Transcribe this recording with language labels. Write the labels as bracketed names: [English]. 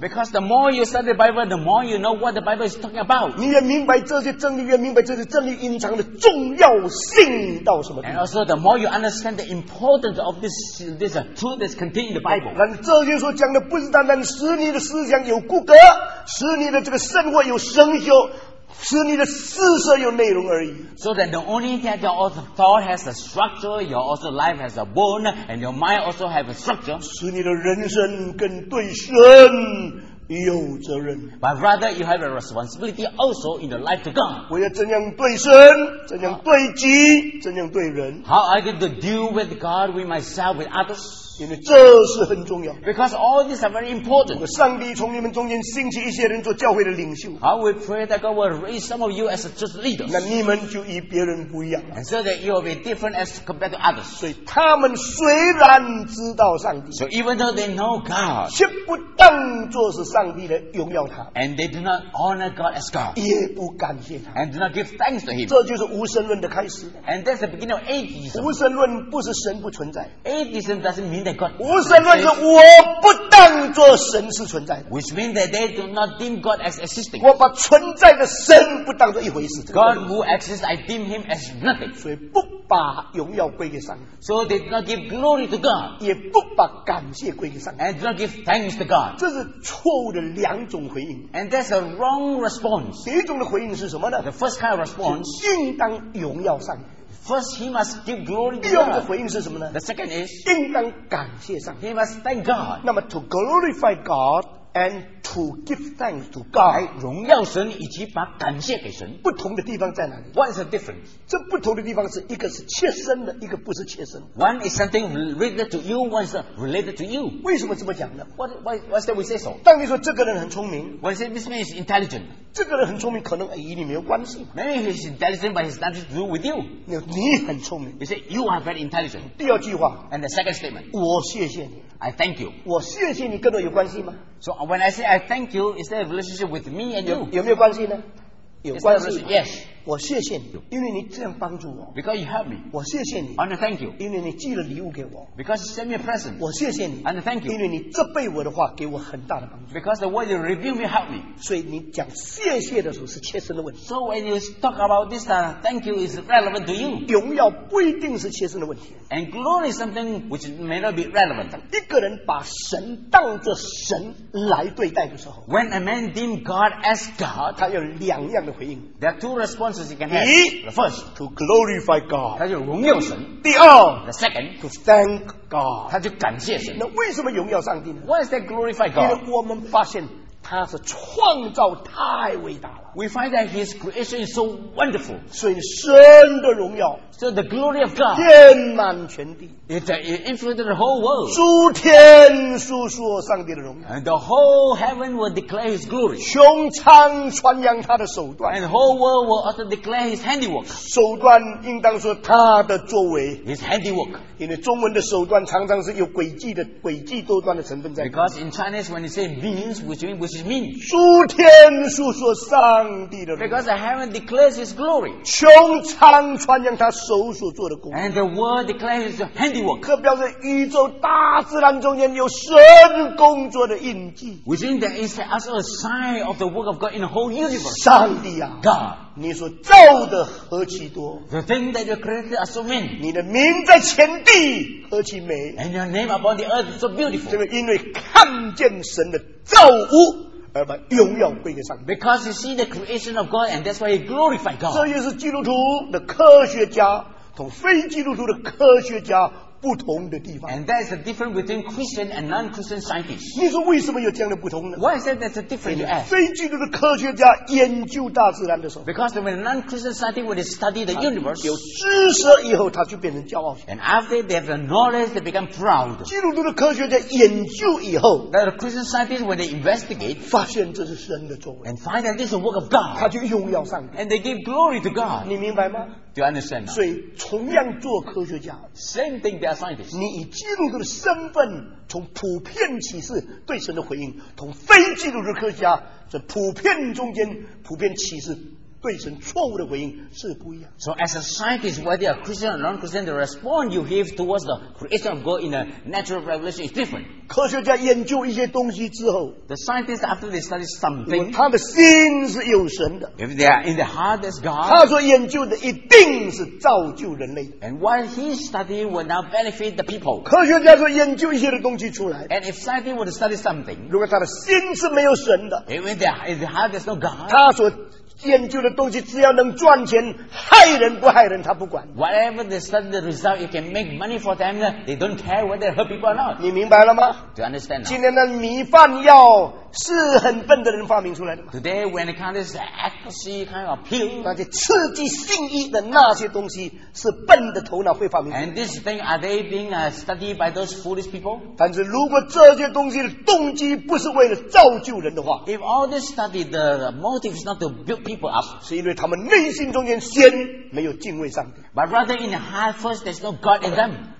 [English] Because the more you study the Bible, the more you know what the Bible is talking about. [Chinese] 你越明白这些真理，越明白这些真理隐藏的重要性到什么地方。 [English] And also the more you understand the importance of this truth that's contained in the Bible. [Chinese] 这些所讲的不是单单使你的思想有骨骼，使你的这个生活有生锈， [English] So that the only thing that your thought has a structure, your also life has a bone, and your mind also has a structure. [Chinese] 使你的人生跟对神有责任。 [English] But rather, you have a responsibility also in the life to God. [Chinese] 我要怎样对神，怎样对己，怎样对人。 [English] How I get to deal with God, with myself, with others. [Chinese] 因为这是很重要。 [English] Because all these are very important. [Chinese] 上帝从你们中间兴起一些人做教会的领袖。 [English] I will pray that God will raise some of you as a church leaders. [Chinese] 那你们就与别人不一样。 [English] And so that you will be different as compared to others. [Chinese] 所以他们虽然知道上帝。 [English] So even though they know God. [Chinese] 却不当作是上帝的荣耀他。 [English] And they do not honor God as God. [Chinese] 也不感谢他。 [English] And do not give thanks to him. [Chinese] 这就是无神论的开始。 [English] And that's the beginning of atheism. [Chinese] 无神论不是神不存在。 [English] Atheism doesn't mean that God exists. [Chinese] 无神论是我不当作神是存在的。 [English] Which means that they do not deem God as existing. [Chinese] 我把存在的神不当作一回事。 [English] God who exists, I deem him as nothing. [Chinese] 所以不把荣耀归给上帝。 [English] So they do not give glory to God. [Chinese] 也不把感谢归给上帝。 [English] And do not give thanks to God. [Chinese] 这是错误的两种回应。 [English] And that's a wrong response. [Chinese] 第一种的回应是什么呢？ [English] The first kind of response. [Chinese] 应当荣耀上帝。 [English] First, he must give glory to God. [Chinese] 第二个回应是什么呢？ [English] The second is, [Chinese] 应当感谢上帝。 [English] He must thank God. 那么 to glorify God and to give thanks to God. [Chinese] 来荣耀神以及把感谢给神。不同的地方在哪里？ [English] What is the difference? [Chinese] 这不同的地方是一个是切身的，一个不是切身的。 [English] One is something related to you, one is related to you. [Chinese] 为什么这么讲呢？ [English] Why is that we say so? [Chinese] 当你说这个人很聪明。 [English] When you say this man is intelligent. [Chinese] 这个人很聪明，可能与你没有关系。 [English] Maybe he's intelligent, but he's nothing to do with you. [Chinese] 你很聪明。 [English] You say you are very intelligent. [Chinese] 第二句话。 [English] And the second statement. [Chinese] 我谢谢你。 [English] I thank you. [Chinese] 我谢谢你跟我有关系吗？ [English] So when I say I thank you, is there a relationship with me and you? [Chinese] 有没有关系呢？有关系。 [English] Yes. [Chinese] 我谢谢你，因为你这样帮助我。 [English] Because you helped me. [Chinese] 我谢谢你。 [English] And thank you. [Chinese] 因为你寄了礼物给我。 [English] Because you sent me a present. [Chinese] 我谢谢你。 [English] And thank you. [Chinese] 因为你责备我的话给我很大的帮助。 [English] Because the word you reveal me helped me. [Chinese] 所以你讲谢谢的时候是切身的问题。 [English] So when you talk about this, thank you is relevant to you. [Chinese] 荣耀不一定是切身的问题。 [English] And glory is something which may not be relevant. [Chinese] 一个人把神当作神来对待的时候。 [English] When a man deems God as God, [Chinese] 他有两样的回应。 [English] There are two responses. [Chinese] 第一 [English] the first, to glorify God. [Chinese] 他就荣耀神。第二 [English] the second, to thank God. [Chinese] 他就感谢神。那为什么荣耀上帝呢？ [English] Why is that glorify God? [Chinese] 因为我们发现他是创造太伟大了。 [English] We find that his creation is so wonderful. [Chinese] 所以神的荣耀 [English] So the glory of God [Chinese] 遍满全地。 [English] It influences the whole world. [Chinese] 诸天述说上帝的荣耀。 [English] And the whole heaven will declare his glory. [Chinese] 穹苍传扬他的手段。 [English] And the whole world will also declare his handiwork. [Chinese] 手段应当说他的作为。 [English] His handiwork. [Chinese] 因为中文的手段常常是有诡计的诡计多端的成分在。 [English] Because in Chinese when you say means, which means which means. [Chinese] 诸天述说上帝的荣耀。 [English] Because the heaven declares his glory. [Chinese] 穹苍传扬他手所做的功。 [English] And the world declares his handiwork. [Chinese] 可表示宇宙大自然中间有神工作的印记。 [English] Within there is also a sign of the work of God in the whole universe. [Chinese] 上帝啊 [English] ，God， [Chinese] 你所造的何其多 [English] ？The thing that you created are so many. [Chinese] 你的名在天地何其美 [English] ？And your name upon the earth is so beautiful. [Chinese] 这个因为看见神的造物。而把荣耀归给上帝。 [English] Because you see the creation of God, and that's why you glorify God. [Chinese] 这也是基督徒的科学家同非基督徒的科学家不同的地方。 [English] And that is the difference between Christian and non-Christian scientists. [Chinese] 你说为什么有这样的不同呢 [English] ？Why is that? That's a difference. [Chinese] 非基督的科学家研究大自然的时候 [English] ，Because when non-Christian scientists when they study the universe, [Chinese] 有知识以后他就变成骄傲。 [English] And after they have the knowledge, they become proud. [Chinese] 基督徒的科学家研究以后 [English] ，That Christian scientists when they investigate, [Chinese] 发现这是神的作为。 [English] And find that this is the work of God. [Chinese] 他就荣耀上帝。 [English] And they give glory to God. [Chinese] 你明白吗？ [English] Do you understand? [Chinese] 所以同样做科学家 [English] ，Same thing they are scientists. [Chinese] 你以基督徒的身份，从普遍启示对神的回应，同非基督徒科学家这普遍中间普遍启示对神错误的回应是不一样。 [English] So as a scientist, whether a Christian or non-Christian, the response you give towards the creation of God in a natural revelation is different. [Chinese] 科学家研究一些东西之后 [English] ，The scientist after they study something, [Chinese] 他的心是有神的。 [English] If they are in the heart as God, [Chinese] 他所研究的一定是造就人类。 [English] And what he studied will now benefit the people. [Chinese] 科学家说研究一些的东西出来 [English] ，And if scientist would study something, [Chinese] 如果他的心是没有神的 [English] ，If their heart has no God, [Chinese] 他所研究的东西只要能赚钱，害人不害人他不管。 [English] Whatever they study the result, you can make money for them, they don't care whether they hurt people or not. [Chinese] 你明白了吗？ [English] Do you understand now? [Chinese] 今天的米饭药是很笨的人发明出来的吗？ [English] Today, when it comes to ecstasy kind of pill, [Chinese] 那些刺激性意的那些东西是笨的头脑会发明出来的。 [English] And this thing, are they being studied by those foolish people? [Chinese] 但是如果这些东西的动机不是为了造就人的话， [English] If all this study, the motive is not to build people up, [Chinese] 是因为他们内心中间先没有敬畏上帝。 [English] But rather in the heart first, there's no God in them.